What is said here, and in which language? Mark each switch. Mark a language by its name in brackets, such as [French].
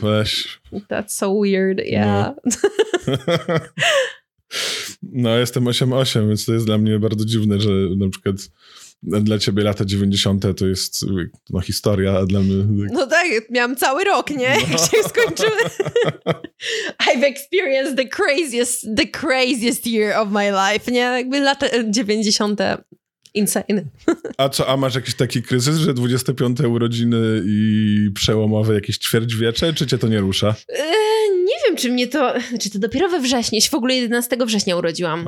[Polish] No, weź. [English] That's so weird, yeah. [Polish] No, jestem 88, więc to jest dla mnie bardzo dziwne, że na przykład... Dla ciebie lata 90. to jest no, historia, a dla mnie... No tak, miałam cały rok, nie? No. Jak się skończyły. [English] I've experienced the craziest year of my life, nie? [Polish] Jakby lata 90. insane. A co, a masz jakiś taki kryzys, że 25. urodziny i przełomowe jakieś ćwierćwiecze, czy cię to nie rusza? Nie wiem, czy mnie to... Znaczy to dopiero we wrześniu, w ogóle 11 września urodziłam.